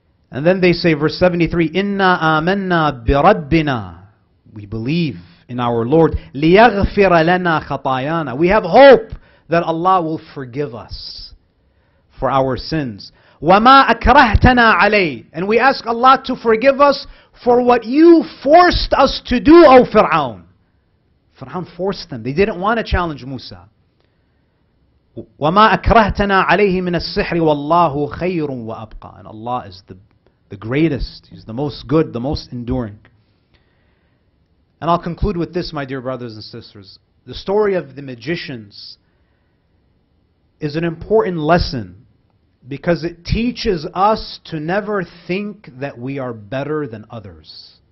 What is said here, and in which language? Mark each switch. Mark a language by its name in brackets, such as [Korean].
[English] And then they say, verse 73, [Arabic] إِنَّا آمَنَّا بِرَبِّنَا [English] We believe in our Lord, [Arabic] لِيَغْفِرَ لَنَا خَطَايَانَا [English] We have hope that Allah will forgive us for our sins. [Arabic] وَمَا أَكْرَهْتَنَا عَلَيْهِ [English] And we ask Allah to forgive us for what you forced us to do, O Fir'aun. Fir'aun forced them. They didn't want to challenge Musa. [Arabic] وَمَا أَكْرَهْتَنَا عَلَيْهِ مِنَ السِّحْرِ وَاللَّهُ خَيْرٌ وَأَبْقَى [English] And Allah is the greatest. He's the most good, the most enduring. And I'll conclude with this, my dear brothers and sisters. The story of the magicians is an important lesson because it teaches us to never think that we are better than others.